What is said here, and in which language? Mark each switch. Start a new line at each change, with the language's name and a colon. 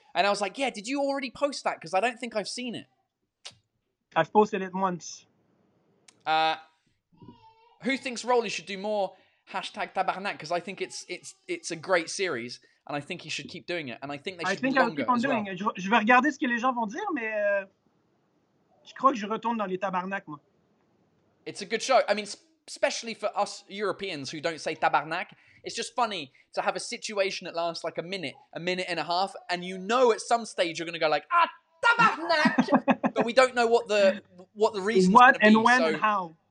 English: And I was like, yeah, did you already post that? Because I don't think I've seen it. I've posted it once. Who thinks Rolly should do more hashtag tabarnak? Because I think it's a great series. And I think he should keep doing it. And I think they should longer as well. I think I'll keep on doing
French: it. Je vais regarder ce que les gens vont dire, mais je crois que je retourne dans les tabarnak, moi.
English: It's a good show. I mean, especially for us Europeans who don't say tabarnak, it's just funny to have a situation that lasts like a minute and a half, and you know at some stage you're going to go like, ah, tabarnak! But we don't know what the reason is. What and when and how.